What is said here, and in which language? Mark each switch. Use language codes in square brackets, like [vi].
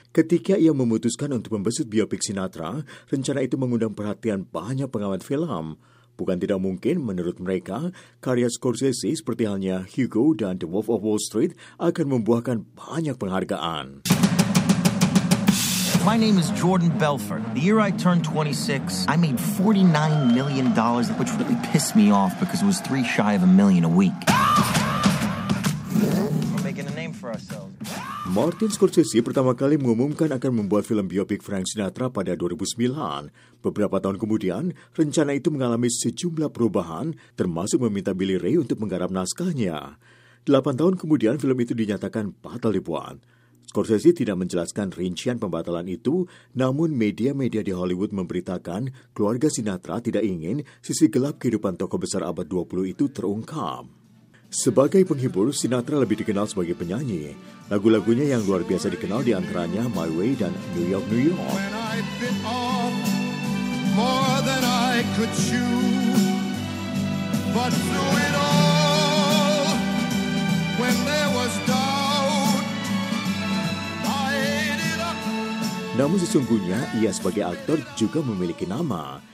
[id] Ketika ia memutuskan untuk membesut biopik Sinatra, rencana itu mengundang perhatian banyak pengamat film. Bukan tidak mungkin, menurut mereka, karya Scorsese seperti halnya Hugo dan The Wolf of Wall Street akan membuahkan banyak penghargaan. [en] My name is Jordan Belfort. The year I turned 26, I made $49 million, which really pissed me off because it was three shy of a million a week. We're making a name for ourselves. [id] Martin Scorsese pertama kali mengumumkan akan membuat film biopik Frank Sinatra pada 2009. Beberapa tahun kemudian, rencana itu mengalami sejumlah perubahan, termasuk meminta Billy Ray untuk menggarap naskahnya. 8 tahun kemudian, film itu dinyatakan batal dibuat. Scorsese tidak menjelaskan rincian pembatalan itu, namun media-media di Hollywood memberitakan keluarga Sinatra tidak ingin sisi gelap kehidupan tokoh besar abad 20 itu terungkap. Sebagai penghibur, Sinatra lebih dikenal sebagai penyanyi. Lagu-lagunya yang luar biasa dikenal di antaranya My Way dan New York, New York. [en] When I bit off more than I could chew, but through it all, when there was doubt, I ate it up. [id] Namun sesungguhnya, ia sebagai aktor juga memiliki nama.